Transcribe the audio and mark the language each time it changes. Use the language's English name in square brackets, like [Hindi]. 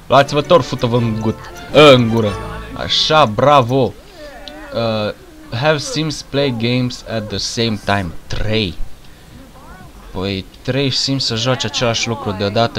[Romanian] Luați-vă tort, fută-vă în gut, în gură. Așa, bravo. [English] Have Sims play games at the same time. 3. [Romanian] Păi 3 Sims să joace același lucru deodată.